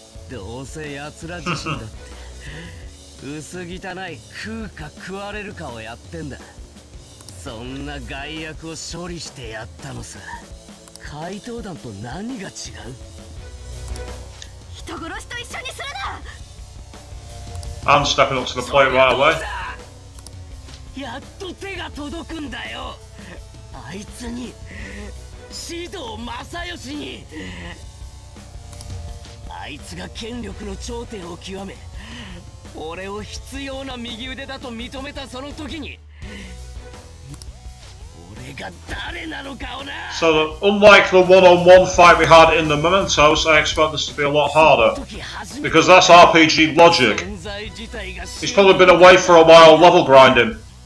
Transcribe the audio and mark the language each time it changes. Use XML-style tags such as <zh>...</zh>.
<ja>どうせ奴ら自身だって。薄汚い食うか食われるかをやってんだ。そんな害悪を処理してやったのさ。怪盗団と何が違う？人殺しと一緒にするな！</ja> <en>I'm stepping up to the plate right away.</en> <ja>やっと手が届くんだよ。あいつに、シドー正義に。あいつが権力の頂点を極め、俺を必要な右腕だと認めたその時に、俺が誰なのかをな。</ja> <en>So unlike the one-on-one fight we had in the Mementos, I expect this to be a lot harder. Because that's RPG logic. He's probably been away for a while level grinding.</en>